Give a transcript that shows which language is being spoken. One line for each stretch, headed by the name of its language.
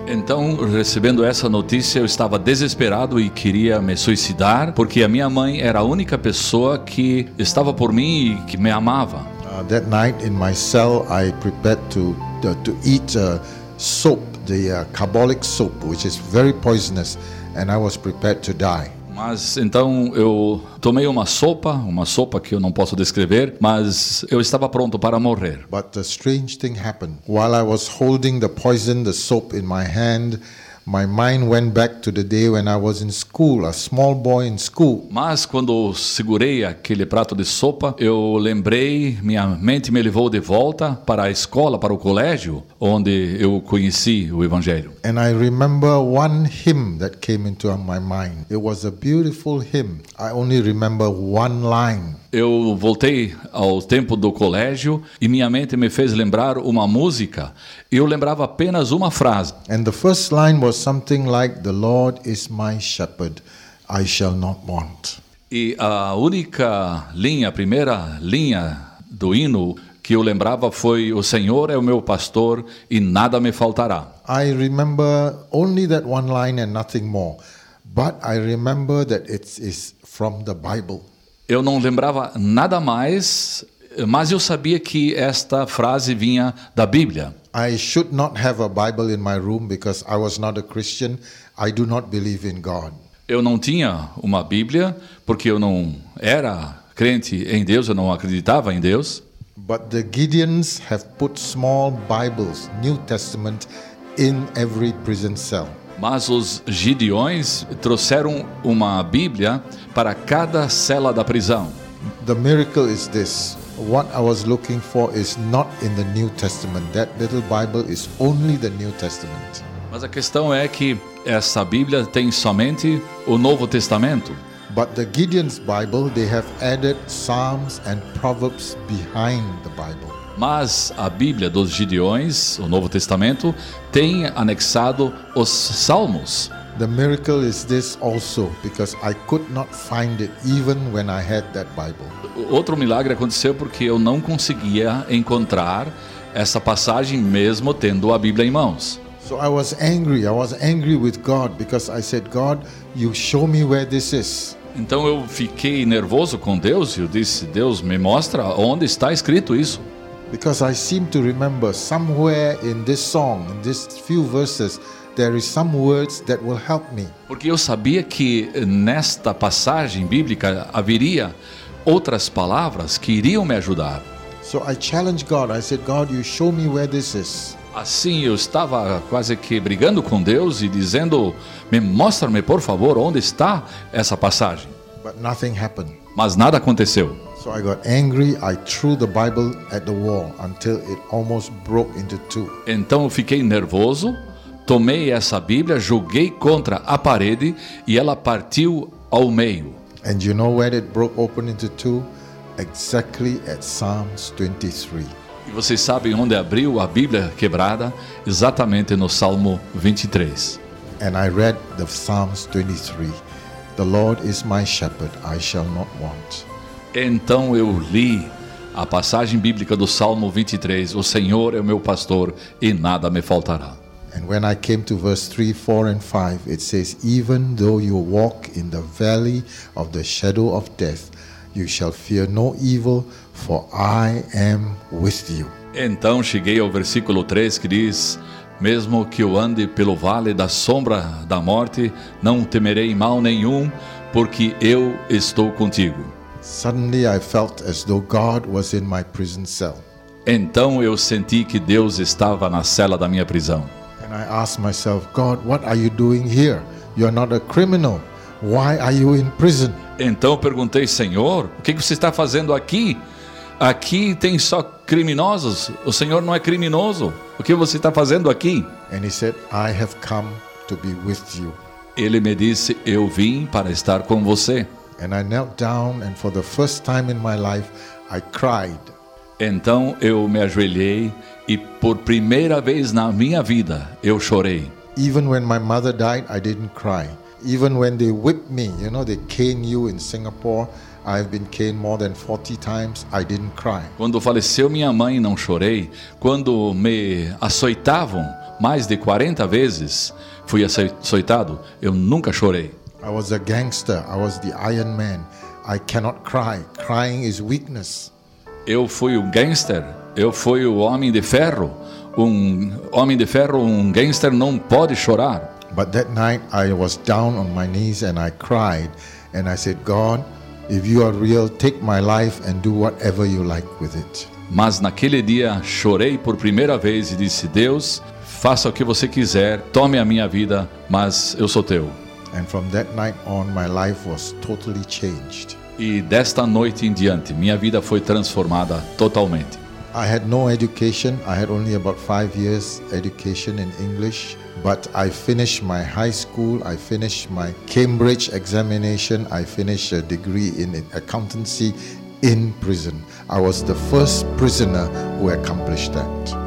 Portuguese: Então, recebendo essa notícia, eu estava desesperado e queria me suicidar, porque a minha mãe era a única pessoa que estava por mim e que me amava.
English: That night in my cell, I prepared to eat soap, the carbolic soap, which is very poisonous, and I was prepared to die.
Portuguese: Mas então eu tomei uma sopa que eu não posso descrever, mas eu estava pronto para morrer.
English: But a strange thing happened. While I was holding the poison, the soap in my hand, my mind went back to the day when I was in school, a small boy in school.
Portuguese: Mas quando segurei aquele prato de sopa, eu lembrei, minha mente me levou de volta para a escola, para o colégio, onde eu conheci o Evangelho.
English: And I remember one hymn that came into my mind. It was a beautiful hymn. I only remember one line.
Portuguese: Eu voltei ao tempo do colégio e minha mente me fez lembrar uma música. Eu lembrava apenas uma frase.
English: And the first line was something like, "The Lord is my shepherd, I shall not want."
Portuguese: E a única linha, a primeira linha do hino que eu lembrava foi, "O Senhor é o meu pastor e nada me faltará."
English: I remember only that one line and nothing more. But I remember that it is from the Bible.
Portuguese: Eu não lembrava nada mais, mas eu sabia que esta frase vinha da Bíblia.
English: I should not have a Bible in my room because I was not a Christian. I do not believe in God.
Portuguese: Eu não tinha uma Bíblia porque eu não era crente em Deus, eu não acreditava em Deus.
English: But the Gideons have put small Bibles, New Testament, in every prison cell.
Portuguese: Mas os Gideões trouxeram uma Bíblia para cada cela da prisão.
English: The miracle is this. What I was looking for is not in the New Testament. That little Bible is only the New Testament.
Portuguese: Mas a questão é que essa Bíblia tem somente o Novo Testamento.
English: But the Gideon's Bible, they have added Psalms and Proverbs behind the Bible.
Portuguese: Mas a Bíblia dos Gideões, o Novo Testamento, tem anexado os Salmos.
English: The miracle is this also, because I could not find it even when I had that Bible.
Portuguese: Outro milagre aconteceu porque eu não conseguia encontrar essa passagem mesmo tendo a Bíblia em mãos.
English: So I was angry. I was angry with God because I said, God, you show me where this is.
Portuguese: Então eu fiquei nervoso com Deus e eu disse, Deus, me mostra onde está escrito isso.
English: Because I seem to remember somewhere in this song, in this few verses, there is some words that will help me.
Portuguese: Porque eu sabia que nesta passagem bíblica haveria outras palavras que iriam me ajudar.
English: So I challenged God. I said, God, you show me where this is.
Portuguese: Assim eu estava quase que brigando com Deus e dizendo, me mostra-me por favor onde está essa passagem.
English: But nothing happened.
Portuguese: Mas nada aconteceu.
English: So I got angry. I threw the Bible at the wall until it almost broke into two.
Portuguese: Então eu fiquei nervoso, tomei essa Bíblia, joguei contra a parede e ela partiu ao meio.
English: And you know where it broke open into two? Exactly at Psalms 23.
Portuguese: E vocês sabem onde abriu a Bíblia quebrada? Exatamente no Salmo 23.
English: And I read the Psalms 23. The Lord is my shepherd, I shall not want.
Portuguese: Então eu li a passagem bíblica do Salmo 23. O Senhor é o meu pastor e nada me faltará.
English: And when I came to verse 3, 4 and 5, it says, even though you walk in the valley of the shadow of death, you shall fear no evil, for I am with you.
Portuguese: Então cheguei ao versículo 3 que diz, mesmo que eu ande pelo vale da sombra da morte, não temerei mal nenhum, porque eu estou contigo.
English: Suddenly I felt as though God was in my prison cell.
Portuguese: Então eu senti que Deus estava na cela da minha prisão.
English: And I asked myself, God, what are you doing here? You are not a criminal. Why are you in prison?
Portuguese: Então eu perguntei, Senhor, o que você está fazendo aqui? Aqui tem só criminosos. O Senhor não é criminoso. O que você está fazendo aqui?
English: And he said, I have come to be with you.
Portuguese: Ele me disse, eu vim para estar com você.
English: And I knelt down and for the first time in my life, I cried.
Portuguese: Então eu me ajoelhei e por primeira vez na minha vida, eu chorei.
English: Even when my mother died, I didn't cry. Even when they whipped me, you know, they cane you in Singapore, I've been caned more than 40 times, I didn't cry.
Portuguese: Quando faleceu minha mãe, não chorei. Quando me açoitavam mais de 40 vezes, fui açoitado, eu nunca chorei.
English: I was a gangster, I was the Iron Man. I cannot cry. Crying is weakness.
Portuguese: Eu fui um gangster, eu fui o homem de ferro. Um homem de ferro, um gangster não pode chorar.
English: But that night I was down on my knees and I cried and I said, God, if you are real, take my life and do whatever you like with it.
Portuguese: Mas naquele dia chorei por primeira vez e disse, Deus, faça o que você quiser, tome a minha vida, mas eu sou teu.
English: And from that night on, my life was totally changed.
Portuguese: E desta noite em diante, minha vida foi transformada totalmente.
English: I had no education. I had only about 5 years education in English. But I finished my high school. I finished my Cambridge examination. I finished a degree in accountancy in prison. I was the first prisoner who accomplished that.